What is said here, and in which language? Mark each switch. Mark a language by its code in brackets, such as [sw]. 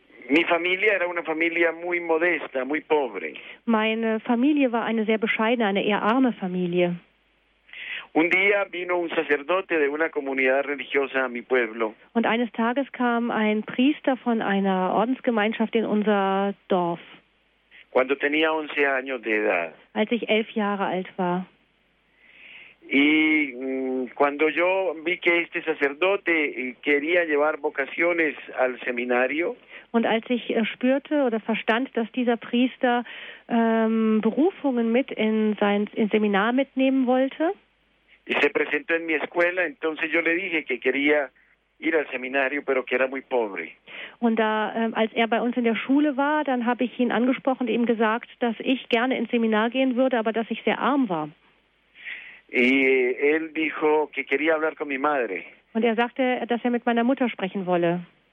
[es] Mi familia era una familia muy modesta, muy pobre. [de] Meine Familie war eine sehr bescheidene, eine eher arme Familie. [es] Un día vino un sacerdote de una comunidad religiosa a mi pueblo. [de] Und eines Tages kam ein Priester von einer Ordensgemeinschaft in unser Dorf. [es] Cuando tenía 11 años de edad. [de] Als ich 11 Jahre alt war. [es] Y cuando yo vi que este sacerdote quería llevar vocaciones al seminario, [de] und als ich spürte oder verstand, dass dieser Priester Berufungen mit in sein Seminar mitnehmen wollte, [es] y se presentó en mi escuela, entonces yo le dije que quería ir al seminario, pero que era muy pobre. [de] Und da, als er bei uns in der Schule war, dann habe ich ihn angesprochen und ihm gesagt, dass ich gerne ins Seminar gehen würde, aber dass ich sehr arm war. [es] Él dijo que quería hablar con mi madre. [de] Und er sagte, dass er mit meiner Mutter sprechen wolle.